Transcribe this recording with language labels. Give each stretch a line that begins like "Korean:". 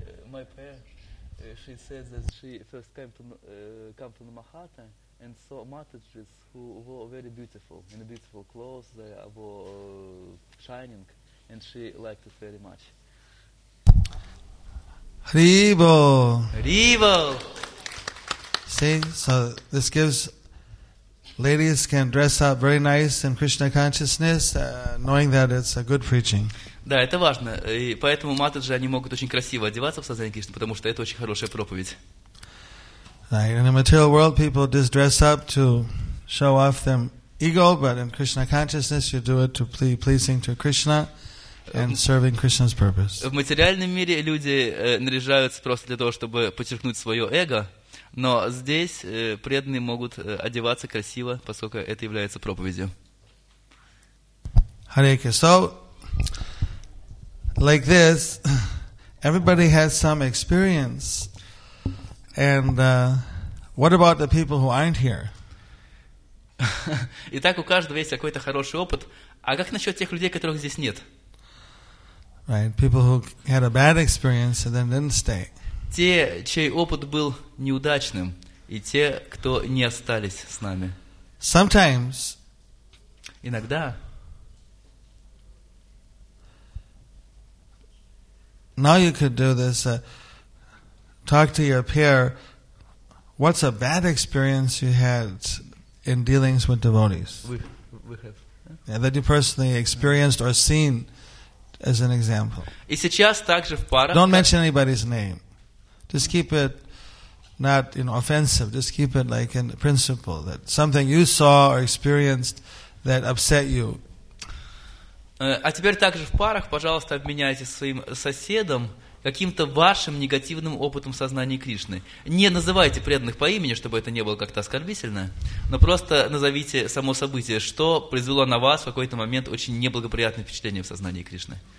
English: My pair, she said that she first came to come to Manhattan and saw Matajis who were very beautiful, in a beautiful clothes, they were shining, and she liked it very much. Haribo! Haribo! See, so this gives, ladies can dress up very nice in Krishna consciousness, knowing that it's a good preaching.
Russian: Да, это важно. И поэтому матаджи, они могут очень красиво одеваться в сознании Кришны, потому что это очень хорошая проповедь.
English: In the material world, people just dress up to show off their ego, but in Krishna consciousness, you do it to be pleasing to Krishna and serving Krishna's purpose.
Russian: В материальном мире люди наряжаются просто для того, чтобы подчеркнуть свое эго, но здесь преданные могут одеваться красиво, поскольку это является проповедью.
English: Харейки, so... Like this, everybody has some experience. And what about the people who aren't here?
Russian: Итак, у каждого есть какой-то хороший опыт. А как насчет тех людей, которых здесь нет?
English: Right, people who had a bad experience and then didn't stay.
Russian: Те, чей опыт был неудачным, и те, кто не остались с нами.
English: Sometimes.
Russian: Иногда.
English: Now you could do this, talk to your peer, what's a bad experience you had in dealings with devotees? We have. Huh? Yeah, that you personally experienced or seen as an example.
Russian: И сейчас также в парах,
English: don't mention anybody's name. Just keep it not, you know, offensive. Just keep it like in principle, that something you saw or experienced that upset you.
Russian: А теперь также в парах, пожалуйста, обменяйтесь своим соседом каким-то вашим негативным опытом сознания Кришны. Не называйте преданных по имени, чтобы это не было как-то оскорбительно, но просто назовите само событие, что произвело на вас в какой-то момент очень неблагоприятное впечатление в сознании Кришны.